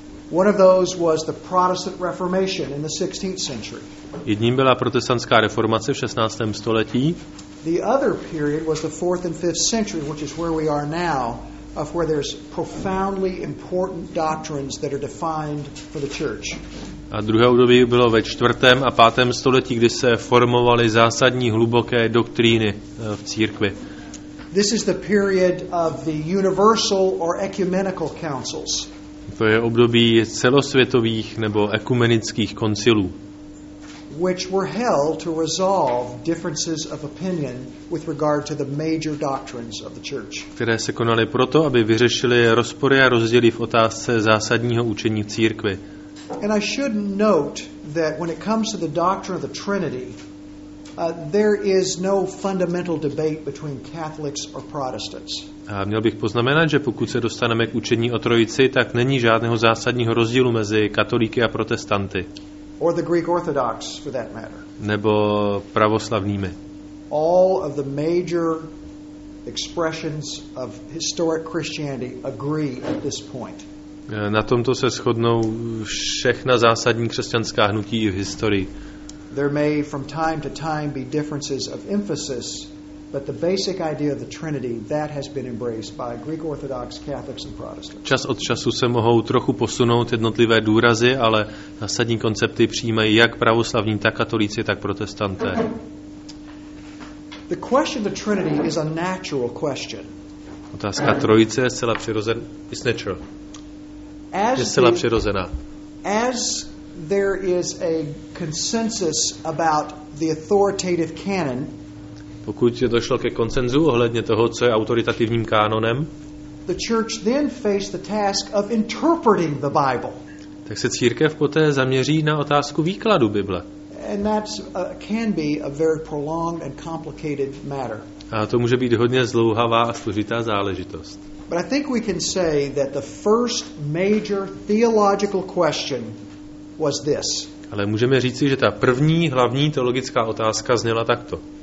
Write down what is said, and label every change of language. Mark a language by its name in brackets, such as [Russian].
[English] One of those was the Protestant Reformation in the 16th century. [Czech] Jedním byla protestantská reformace v 16. století. [English] The other period was the 4th and 5th century, which is where we are now. Of where there's profoundly important doctrines that are defined for the church. [Czech] A druhé období bylo ve 4. a 5. století, kdy se formovaly zásadní hluboké doktríny v církvi. [English] This is the period of the universal or ecumenical councils. [Czech] To je období celosvětových nebo ekumenických koncilů. [English] Which were held to resolve differences of opinion with regard to the major doctrines of the church. [Czech] Které se konaly proto, aby vyřešili rozpory a rozdíly v otázce zásadního učení církve. [English] And I should note that when it comes to the doctrine of the Trinity, there is no fundamental debate between Catholics or Protestants. [Czech] A měl bych poznamenat, že pokud se dostaneme k učení o Trojici, tak není žádného zásadního rozdílu mezi katolíky a protestanty. [English] Or the Greek Orthodox, for that matter. [Czech] Nebo pravoslavnými. [English] All of the major expressions of historic Christianity agree at this point. [Czech] Na tomto se shodnou všechna zásadní křesťanská hnutí v historii. [English] There may from time to time be differences of emphasis, but the basic idea of the Trinity, that has been embraced by Greek Orthodox, Catholics and Protestants. [Czech] Čas od času se mohou trochu posunout jednotlivé důrazy, ale zásadní koncepty přijímají jak pravoslavní, tak katolíci, tak protestanté. [English] The question of the Trinity is a natural question. [Czech] Otázka Trojice je zcela přirozená. [English] It's natural. [Czech] Je zcela přirozená. [English] As there is a consensus about the authoritative canon, [Czech] pokud je došlo ke konsenzu ohledně toho, co je autoritativním kánonem, [English] the church then faced the task of interpreting the Bible. [Czech] Tak se církev poté zaměří na otázku výkladu Bible. [English] And that can be a very prolonged and complicated matter. [Czech] A to může být hodně zdlouhavá a složitá záležitost. [English] But I think we can say that the first major theological question was this. [Czech] Ale můžeme říci, že ta první hlavní teologická otázka zněla takto.